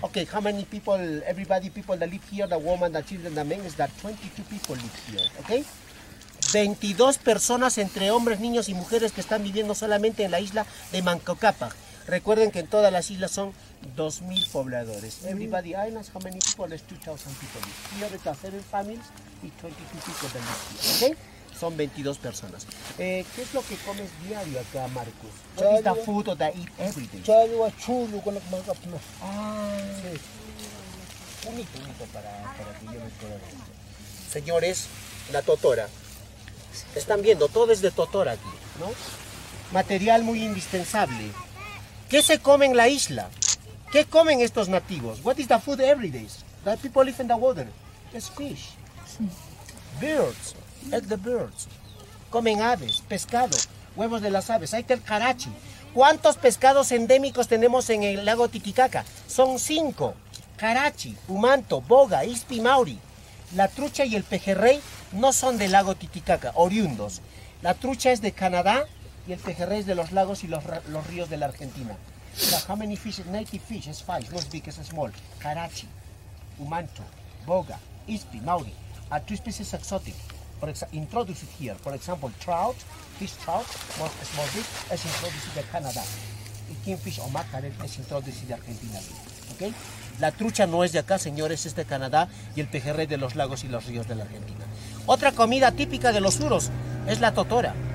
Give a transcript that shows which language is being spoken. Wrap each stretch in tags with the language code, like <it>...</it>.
<en>Ok, how many people, everybody, people that live here, the woman, the children, the men, is that 22 people live here, ok?</en> <es>22 personas entre hombres, niños y mujeres que están viviendo solamente en la isla de Manco Cápac. Recuerden que en todas las islas son 2,000 pobladores.</es> <en>Everybody islands, how many people? 2,000 people. Here it's 7 families y 22 people</en> <es>de la isla.</es> <en>¿Ok?</en> <es>Son 22 personas. ¿Qué es lo que comes diario acá, Marcos?</es> <en>What is the food that I eat every day? Chayo a chulo con la capa.</en> <es>Ah, sí. Un hito para que yo me pueda ver. Señores, la totora. Están viendo, todo es de totora aquí, ¿no? Material muy indispensable. ¿Qué se come en la isla? ¿Qué comen estos nativos?</es> <en>What is the food every day? That people live in the water. It's fish. Birds. Eat the birds.</en> <es>Comen aves, pescado, huevos de las aves. Hay telcarachi. ¿Cuántos pescados endémicos tenemos en el lago Titicaca? Son 5. Carachi, humanto, boga, ispi, mauri. La trucha y el pejerrey no son del lago Titicaca, oriundos. La trucha es de Canadá y el pejerrey es de los lagos y los ríos de la Argentina.</es> <en>So how many fish? Native fish is 5, not big, it's small. Carachi, humanto, boga, ispi, mauri. Are 2 species exotic. For introduced here. For example, trout, fish trout, small fish, is introduced in Canada. Kingfish o mackerel is introduced in Argentina. Okay?</en> <es>La trucha no es de acá, señores, es de Canadá y el pejerrey de los lagos y los ríos de la Argentina. Otra comida típica de los suros es la totora.</es>